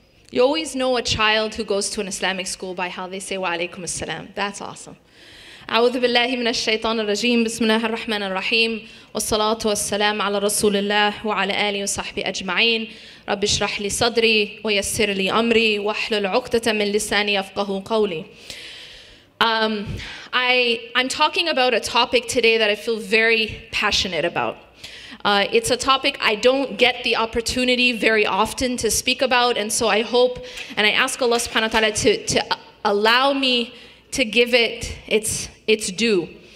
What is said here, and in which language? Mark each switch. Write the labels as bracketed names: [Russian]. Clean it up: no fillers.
[English] You always know a child who goes to an Islamic school by how they say wa alaikum assalam. That's awesome. [Arabic] أعوذ بالله من الشيطان الرجيم بسم الله الرحمن الرحيم والصلاة والسلام على رسول الله وعلى آله وصحبه أجمعين رب اشرح لي صدري ويسر لي أمري واحلل عقدة من لساني يفقه قولي. [English] I'm talking about a topic today that I feel very passionate about. It's a topic I don't get the opportunity very often to speak about, and so I hope and I ask Allah subhanahu wa ta'ala to allow me to give it its due.